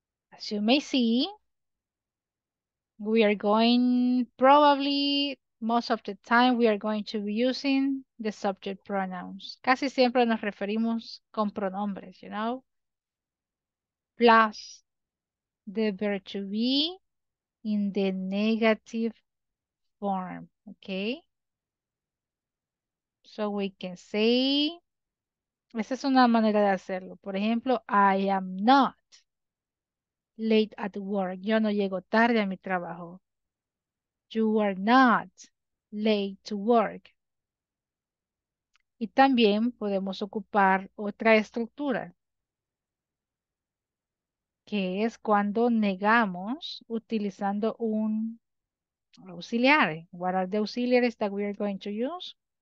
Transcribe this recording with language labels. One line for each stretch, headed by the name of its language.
English: As you may see, we are going, probably most of the time, we are going to be using the subject pronouns.
Spanish: Casi siempre nos referimos con pronombres,
English: you know? Plus the verb to be in the negative form, okay? So we can say,
Spanish: esa es una manera de hacerlo. Por ejemplo,
English: I am not late at work.
Spanish: Yo no llego tarde a mi trabajo.
English: You are not late to work.
Spanish: Y también podemos ocupar otra estructura, que es cuando negamos utilizando un
English: Auxiliary. What are the auxiliaries that we are going to use?